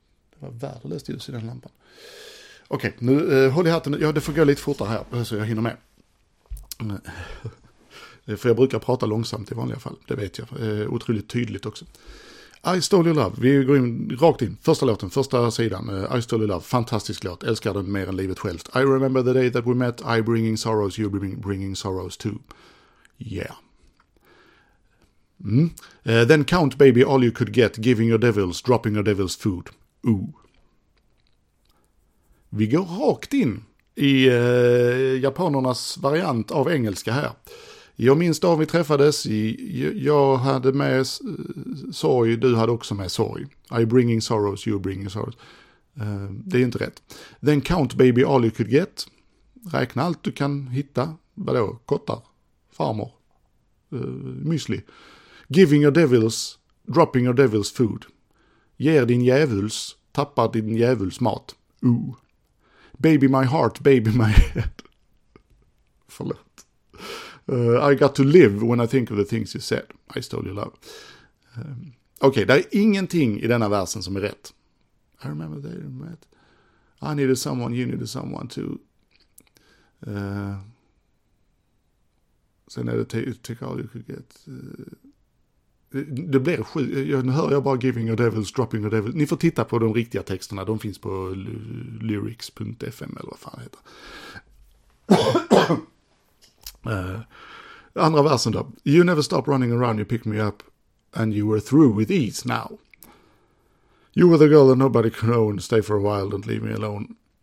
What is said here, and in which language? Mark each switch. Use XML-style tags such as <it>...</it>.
<sv>Det var värdelöst ljus i den lampan. Okej, nu håll i hatten. Ja, det får gå lite fortare här så jag hinner med. För jag brukar prata långsamt i vanliga fall. Det vet jag. Otroligt tydligt också. I Stole Your Love. Vi går in rakt in. Första låten, första sidan. I Stole Your Love. Fantastisk låt. Älskar den mer än livet självt.</sv> <en>I remember the day that we met. I bringing sorrows, you bringing sorrows too. Yeah. Mm. Then count baby all you could get. Giving your devils, dropping your devils food. Ooh.</en> <sv>Vi går rakt in i japanernas variant av engelska här. Jag minns då vi träffades, jag hade med sorg, du hade också med sorg.</sv> <en>I bringing sorrows, you bringing sorrows.</en> <sv>Det är inte rätt.</sv> <en>Then count baby all you could get.</en> <sv>Räkna allt du kan hitta. Vadå? Kottar, farmor, müsli.</sv> <en>Giving your devils, dropping your devils food.</en> <sv>Ger din djävuls, tappar din djävuls mat. Ooh.</sv> <en>Baby my heart, baby my head.</en> <sv>Förlåt.</sv> <en>I got to live when I think of the things you said. I stole your love.</en> <sv>Okej, det är ingenting i denna versen som är rätt.</sv> <en>I remember that. I needed someone, you needed someone too.</en> <sv>Sen är det Take All You Could Get. Det blir nu hör jag bara</sv> <en>Giving Your Devils, Dropping Your Devils.</en> <sv>Ni får titta på de riktiga texterna. De finns på lyrics.fm eller vad fan heter. andra versen då.</sv> <en>You never stop running around, you pick me up and you were through with ease now. You were the girl that nobody could own, stay for a while, don't leave me alone.</en>